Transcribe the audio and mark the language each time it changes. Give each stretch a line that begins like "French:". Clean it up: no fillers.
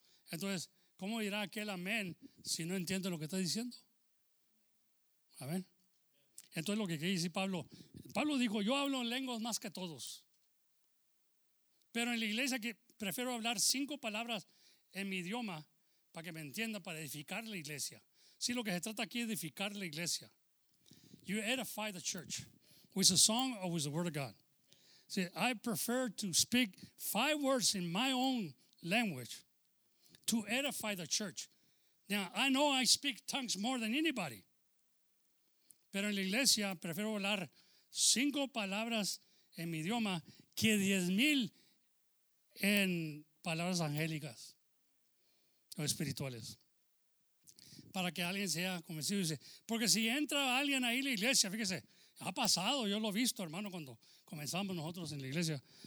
Spanish: Entonces, ¿cómo dirá aquel amén si no entiende lo que está diciendo? Amén. Entonces, lo que quiere decir Pablo dijo, yo hablo en lenguas más que todos. Pero en la iglesia que prefiero hablar 5 palabras en mi idioma para que me entienda, para edificar la iglesia. Sí, lo que se trata aquí es edificar la iglesia.
English: You edify the church with a song or with the word of God. See, I prefer to speak 5 words in my own language to edify the church. Now, I know I speak tongues more than anybody.
Spanish: Pero en la iglesia prefiero hablar 5 palabras en mi idioma que 10,000 en palabras angélicas o espirituales para que alguien sea convencido. Dice, porque si entra alguien ahí en la iglesia, fíjese, ha pasado, yo lo he visto, hermano, cuando comenzamos nosotros en la iglesia.